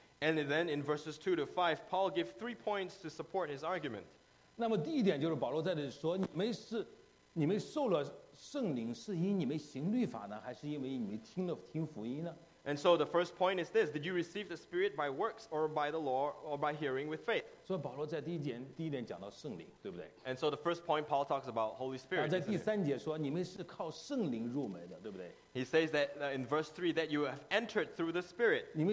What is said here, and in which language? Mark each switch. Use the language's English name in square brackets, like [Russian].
[English] And then in verses 2 to 5 Paul gave 3 points to support his argument [Chinese] 那么第一点就是保罗在这里说你们受了圣灵是因你们行律法呢还是因为你们听福音呢 [English] And so the first point is this Did you receive the spirit by works or by the law or by hearing with faith [Chinese] 所以保罗在第一点讲到圣灵对不对 [English] And so the first point Paul talks about Holy Spirit [Chinese] 在第三节说你们是靠圣灵入门的对不对 [English] He says that in verse 3 that you have entered through the Spirit.